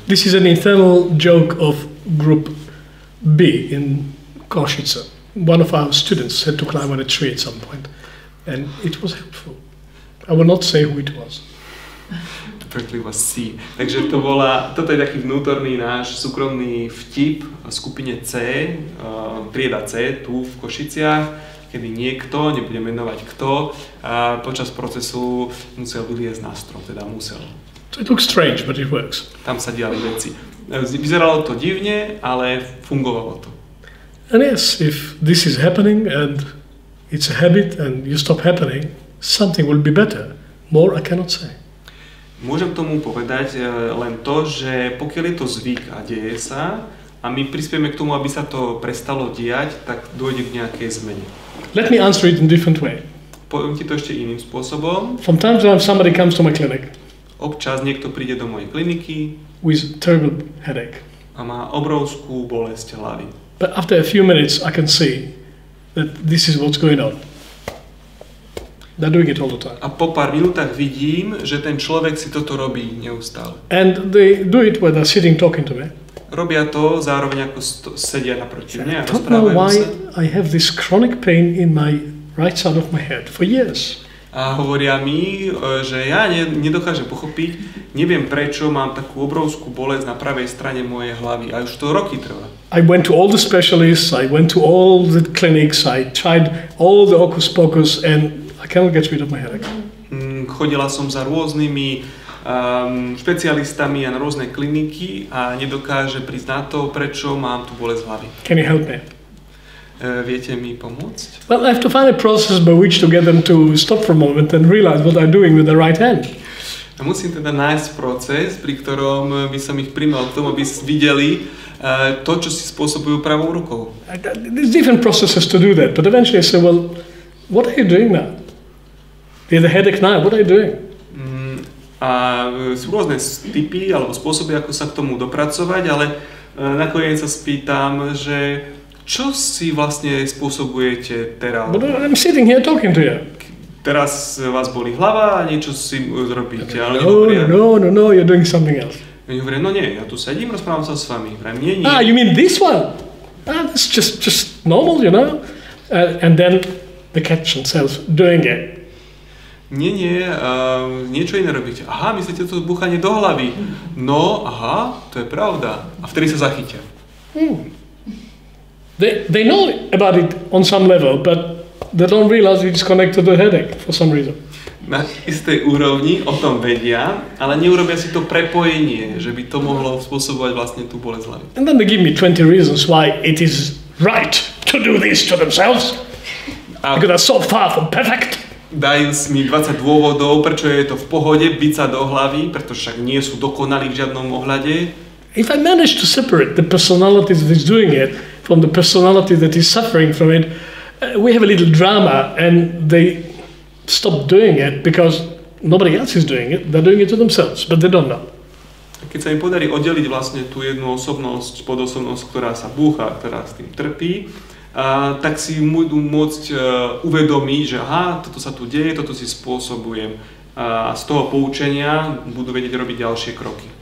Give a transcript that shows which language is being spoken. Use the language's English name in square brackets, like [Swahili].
[English] This is an internal joke of group B in Košice. One of our students had to climb on a tree at some point and it was helpful. I will not say who it was. Perfectly was C. [Slovak] Takže to bola, toto je taký vnútorný náš súkromný vtip skupine C, trieda C tu v Košiciach, kedy niekto, nebudem menovať kto, počas procesu musel vyliesť na strom, teda musel. [English] It looks strange, but it works. [Slovak] Tam sa diali veci. Vyzeralo to divne, ale fungovalo to. [English] And yes, if this is happening and it's a habit and you stop happening, something will be better. More I cannot say. [Slovak] Môžem k tomu povedať len to, že pokiaľ je to zvyk a deje sa a my prispieme k tomu, aby sa to prestalo diať, tak dôjde k nejakej zmene. [English] Let me answer it in different way. [Slovak] Poviem ti to ešte iným spôsobom. [English] From time to time somebody comes to my clinic. [Slovak] Občas niekto príde do mojej kliniky [English] with terrible headache. [Slovak] A má obrovskú bolesť hlavy. [English] But after a few minutes I can see that this is what's going on. They're doing it all the time. [Slovak] A po pár minútach vidím, že ten človek si toto robí neustále. [English] And they do it while they're sitting talking to me. [Slovak] Robia to zároveň ako sedia naproti mne a rozprávajú sa. [English] I don't know why I have this chronic pain in my right side of my head for years. [Slovak] A hovoria mi, že ja nedokážem pochopiť, neviem prečo mám takú obrovskú bolesť na pravej strane mojej hlavy a už to roky trvá. [English] I went to all the specialists, I went to all the clinics, I tried all the hocus pocus and I cannot get rid of my headache. [Slovak] Chodila som za rôznymi špecialistami a na rôzne kliniky a nedokáže prísť na to, prečo mám tú bolesť hlavy. [English] Can you help me? [Slovak] Viete mi pomôcť? [English] Well, I have to find a process by which to get them to stop for a moment and realize what I'm doing with their right hand. [Slovak] A musím teda nájsť proces, pri ktorom by som ich primal k tomu, aby videli to, čo si spôsobujú pravou rukou. [English] There's different processes to do that, but eventually I say, well, what are you doing now? You have a headache now, what are you doing? [Slovak] A sú rôzne typy alebo spôsoby, ako sa k tomu dopracovať, ale nakoniec sa spýtam, že čo si vlastne spôsobujete teraz? [English] But I'm sitting here talking to you. [Slovak] Teraz vás bolí hlava a niečo si robíte, ale [English] No, you're doing something else. [Slovak] Oni hovorí, no nie, ja tu sedím, rozprávam sa s vami. Vrem, nie. [English] Ah, you mean this one? Ah, it's just normal, you know? And then the catch themselves doing it. [Slovak] Nie, niečo iné robíte. Aha, myslíte to búchanie do hlavy. No, aha, to je pravda. A vtedy sa zachytia. [English] They know about it on some level, but they don't realize it's connected to the headache for some reason. [Slovak] Na istej úrovni o tom vedia, ale neurobia si to prepojenie, že by to mohlo spôsobovať vlastne tú bolesť hlavy. [English] And then they give me 20 reasons why it is right to do this to themselves. Because I'm so far from perfect. [Slovak] Dajú mi 20 dôvodov, prečo je to v pohode byť sa do hlavy, pretože však nie sú dokonalí v žiadnom ohľade. [English] If I manage to separate the personality that is doing it from the personality that is suffering from it, we have a little drama and they stop doing it because nobody else is doing it, they're doing it to themselves, but they don't know. [Slovak] Keď sa mi podarí oddeliť vlastne tú jednu osobnosť, podosobnosť, ktorá sa búcha, ktorá s tým trpí, tak si budú môcť uvedomiť, že aha, toto sa tu deje, toto si spôsobujem. A z toho poučenia budú vedieť robiť ďalšie kroky.